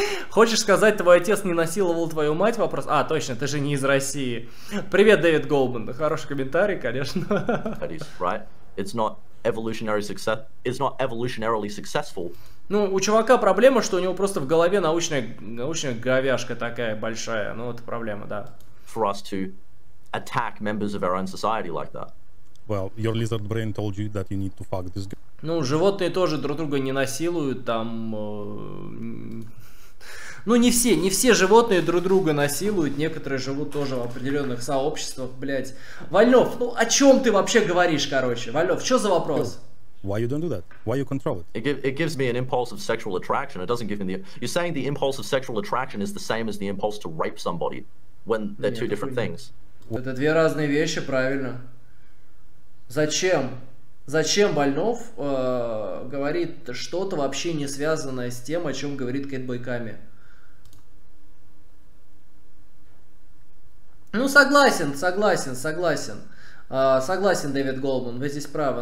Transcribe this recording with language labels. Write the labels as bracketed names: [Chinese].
[Russian] Хочешь сказать, твой отец не насиловал твою мать? Вопрос. А, точно, ты же не из России. Привет, Дэвид Голдман. Хороший комментарий, конечно. [English] Right? It's not evolutionary success. It's not evolutionarily successful. [Russian] Ну, у чувака проблема, что у него просто в голове научная говяжка такая большая. Ну, это проблема, да. [English] For us to attack members of our own society like that. Well, your lizard brain told you that you need to fuck this guy. [Russian] Ну, животные тоже друг друга не насилуют, там... Ну, не все животные друг друга насилуют, некоторые живут тоже в определенных сообществах, блядь. Вальнов, ну о чем ты вообще говоришь, короче? Вальнов, что за вопрос? [English] Why you don't do that? Why you control it? It gives me an impulse of sexual attraction. It doesn't give me the... You're saying the impulse of sexual attraction is the same as the impulse to rape somebody when they're two different things. [Russian] Это две разные вещи, правильно. Зачем? Зачем Вальнов говорит что-то вообще не связанное с тем, о чем говорит Кейт Бойками? Ну, согласен. Согласен, Дэвид Голдман, вы здесь правы.